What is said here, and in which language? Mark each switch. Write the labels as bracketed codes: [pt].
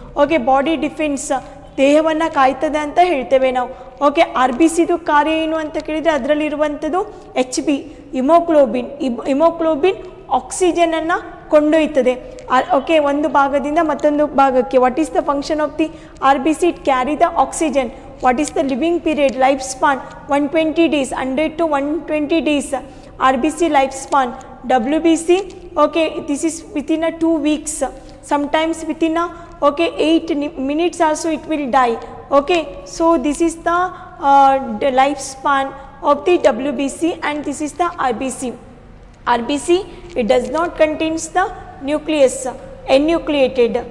[kn] Okay, body defence, ದೇಹವನ್ನು ಕಾಯ್ತದೆ ಅಂತ ಹೇಳ್ತೇವೆ ನಾವು. ಓಕೆ, RBCದು ಕಾರ್ಯ ಏನು ಅಂತ ಕೇಳಿದರೆ ಅದರಲ್ಲಿರುವಂಥದ್ದು HB, ಹಿಮೋಗ್ಲೋಬಿನ್. ಹಿಮೋಗ್ಲೋಬಿನ್ ಆಕ್ಸಿಜನನ್ನು ಕೊಂಡೊಯ್ತದೆ, ಓಕೆ, ಒಂದು ಭಾಗದಿಂದ ಮತ್ತೊಂದು ಭಾಗಕ್ಕೆ. [en] What is the function of the RBC? It carry the oxygen. What is the living period, life span? 120 days, 100 to 120 days RBC life span. WBC, okay, this is within a 2 weeks, sometimes within a, okay, 8 minutes also it will die. Okay, so this is the life span of the WBC and this is the RBC. RBC it does not contains the nucleus, enucleated.